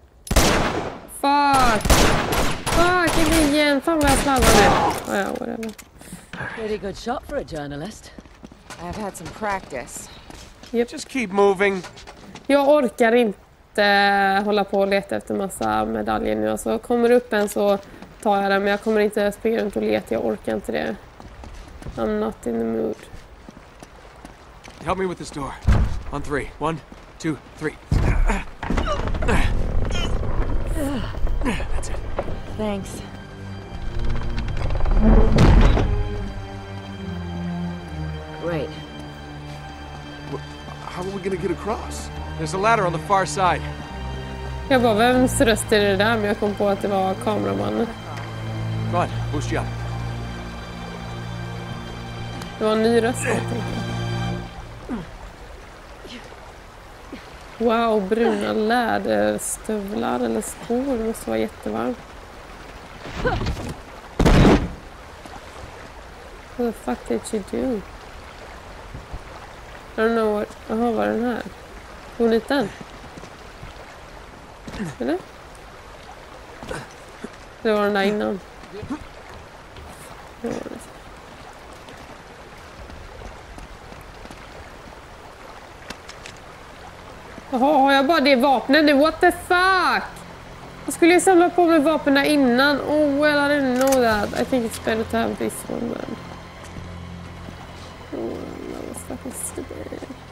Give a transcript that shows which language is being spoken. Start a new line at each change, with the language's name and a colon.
Swedish: Fuck! Fuck igen! Fan vad jag slaggar nu!
English: Oh, yeah, whatever. Pretty good shot for a journalist. I've had some practice. Yep. Just keep moving.
Swedish: Jag orkar inte hålla på och leta efter massa medaljer nu. Alltså, kommer upp en så tar jag den. Men jag kommer inte springa runt och leta. Jag orkar inte det.
English: I'm not in the mood. Help me with this door. On three. One, two, three. Thanks. Great. How are we gonna get across? There's a ladder on the far side.
Swedish: Jag bara, vems röst är det där? Men jag kom på att det var kameramannen.
English: Go on, boost you up.
Swedish: Det var en ny röst. Wow, bruna läderstövlar eller skor. Det måste vara jättevarmt.
English: What the fuck did you do? I don't know what...
Swedish: Jaha, var den här? Går ni den? Eller? Det var den där innan. Det var det. Jaha, har jag bara det vapnet nu?
English: What the fuck?
Swedish: Jag skulle ju samla på mig vapnen innan.
English: Oh, well, I didn't know that. I think it's better to have this one, man. Oh, that was fucking stupid.